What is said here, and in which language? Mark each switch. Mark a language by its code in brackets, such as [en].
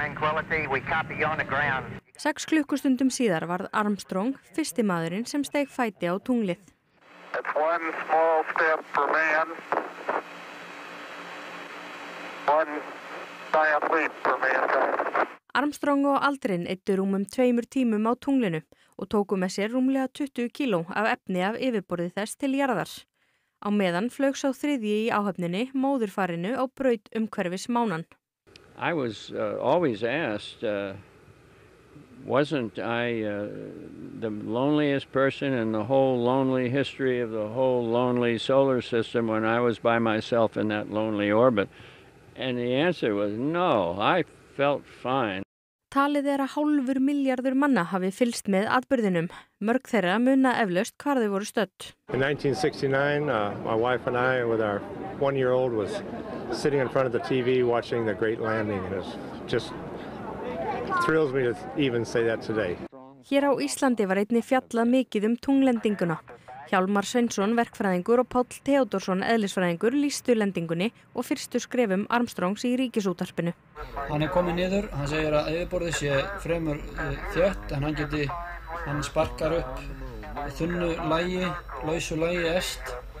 [is] Sex klukkustundum síðar varð Armstrong fyrsti maðurinn sem steig fæti á tunglið. [en] It's one small step for man, one giant leap for mankind. [is] Armstrong og Aldrin eyddu rúmum tveimur tímum á tunglinu og tóku með sér rúmlega 20 kíló af efni af yfirborði þess til jarðar. Á meðan flaug sá þriðji í áhöfninni móðurfarinu á braut umhverfis mánann. [en] I was always asked wasn't I the loneliest person in the whole lonely history of the whole lonely solar system when I was by myself in that lonely orbit? And the answer was no, I felt fine. [is] Talið að hálfur milljarður manna hafi fylst með atburðinum. Mörg þeirra muna eflaust hvar þau voru stödd. [en] In 1969, my wife and I with our one-year-old was sitting in front of the TV watching the great landing and it just thrills me to even say that today. [is] Hér á Íslandi var einnig fjallað mikið tunglendinguna. Hjálmar Sveinsson verkfræðingur og Páll Theodórsson eðlisfræðingur lýstu lendingunni og fyrstu skrefum Armstrongs í Ríkisútvarpinu. Hann kominn niður, hann segir að yfirborðið sé fremur þétt en hann sparkar upp þunnu lagi, lausu lagi est.